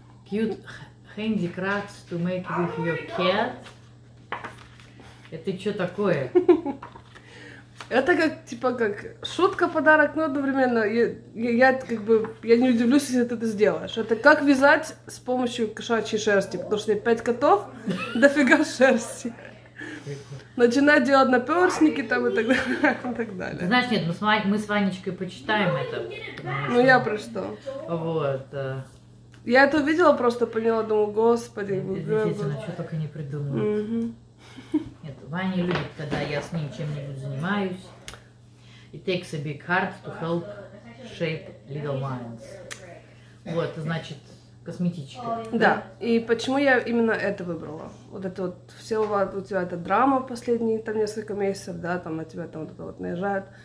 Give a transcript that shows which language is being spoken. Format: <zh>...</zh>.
<en>Cute handicrafts to make with your cat.</en> <ru>Это что такое? Это как, типа, как шутка, подарок, но одновременно я как бы, я не удивлюсь, если ты это сделаешь. Это как вязать с помощью кошачьей шерсти, потому что у меня 5 котов, дофига шерсти. Начинать делать наперстники там и так далее, и так далее. Знаешь, нет, мы с Ванечкой почитаем это. Ну я про что? Вот. Я это увидела, просто поняла, думаю, господи. Действительно, что только не придумала. Нет, Ваня любит, когда я с ним чем-нибудь занимаюсь.</ru> <en>It takes a big heart to help shape little minds.</en> <ru>Вот, значит, косметичка. Да, и почему я именно это выбрала? Вот это вот, все у тебя эта драма последние там несколько месяцев, да, там на тебя там вот это вот наезжает.</ru>